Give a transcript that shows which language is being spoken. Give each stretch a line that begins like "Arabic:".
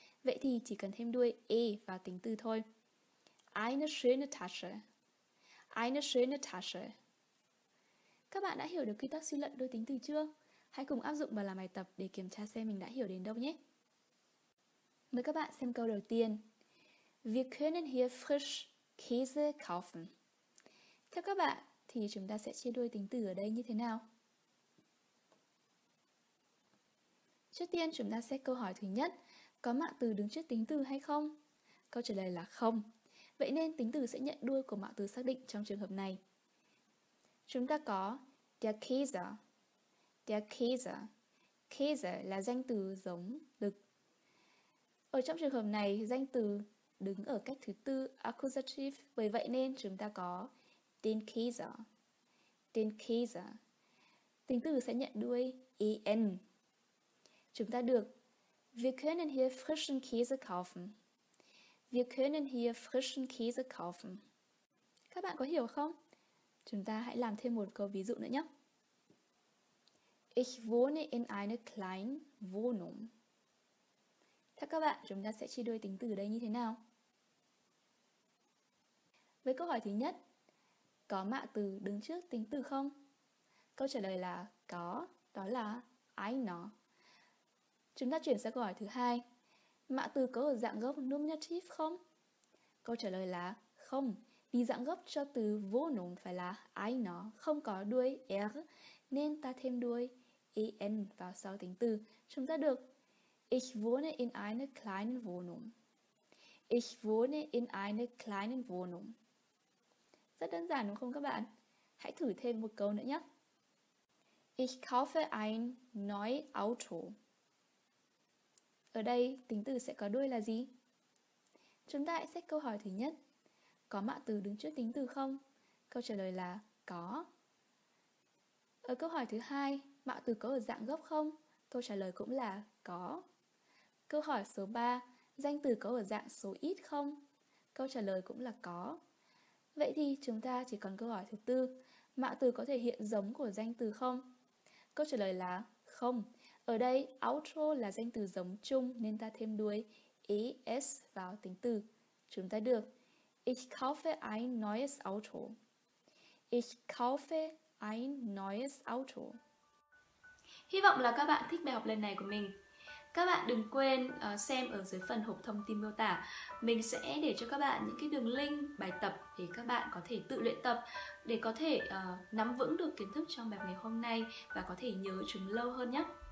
Vietnamese: Vậy thì chỉ cần thêm đuôi e vào tính từ thôi.
German: Eine schöne Tasche. Eine schöne Tasche.
Vietnamese: Các bạn đã hiểu được quy tắc suy luận đôi tính từ chưa? Hãy cùng áp dụng và làm bài tập để kiểm tra xem mình đã hiểu đến đâu nhé. Mời các bạn xem câu đầu tiên.
German: Wir können hier frisch Käse kaufen.
Vietnamese: Theo các bạn thì chúng ta sẽ chia đuôi tính từ ở đây như thế nào? Trước tiên chúng ta xét câu hỏi thứ nhất, có mạ từ đứng trước tính từ hay không? Câu trả lời là không. Vậy nên tính từ sẽ nhận đuôi của mạ từ xác định trong trường hợp này. Chúng ta có
German: der Käse. Der Käse.
Vietnamese: Käse là danh từ giống đực. Ở trong trường hợp này, danh từ đứng ở cách thứ tư accusative, bởi vậy nên chúng ta có
German: den Käse. Den Käse.
Vietnamese: Tính từ sẽ nhận đuôi en. Chúng ta được
German: Wir können hier frischen Käse kaufen. Wir können hier frischen Käse kaufen.
Vietnamese: Các bạn có hiểu không? Chúng ta hãy làm thêm một câu ví dụ nữa nhé.
German: Ich wohne in einer kleinen Wohnung.
Vietnamese: Theo các bạn, chúng ta sẽ chia đuôi tính từ đây như thế nào? Với câu hỏi thứ nhất, có mạ từ đứng trước tính từ không? Câu trả lời là có, đó là eine. Chúng ta chuyển sang câu hỏi thứ hai, mạ từ có ở dạng gốc nominative không? Câu trả lời là không, vì dạng gốc cho từ Wohnung phải là eine, không có đuôi er, nên ta thêm đuôi en vào sau tính từ. Chúng ta được
German: Ich wohne in einer kleinen Wohnung. Ich wohne in einer kleinen Wohnung.
Vietnamese: Rất đơn giản đúng không các bạn? Hãy thử thêm một câu nữa nhé.
German: Ich kaufe ein neues Auto.
Vietnamese: Ở đây, tính từ sẽ có đuôi là gì? Chúng ta hãy xét câu hỏi thứ nhất. Có mạ từ đứng trước tính từ không? Câu trả lời là có. Ở câu hỏi thứ hai, mạ từ có ở dạng gốc không? Câu trả lời cũng là có. Câu hỏi số 3, danh từ có ở dạng số ít không? Câu trả lời cũng là có. Vậy thì chúng ta chỉ còn câu hỏi thứ tư, mạ từ có thể hiện giống của danh từ không? Câu trả lời là không. Ở đây, auto là danh từ giống chung nên ta thêm đuôi es vào tính từ. Chúng ta được
German: Ich kaufe ein neues Auto. Ich kaufe ein neues Auto.
Vietnamese: Hy vọng là các bạn thích bài học lần này của mình. Các bạn đừng quên xem ở dưới phần hộp thông tin miêu tả. Mình sẽ để cho các bạn những cái đường link bài tập để các bạn có thể tự luyện tập, để có thể nắm vững được kiến thức trong bài ngày hôm nay và có thể nhớ chúng lâu hơn nhé.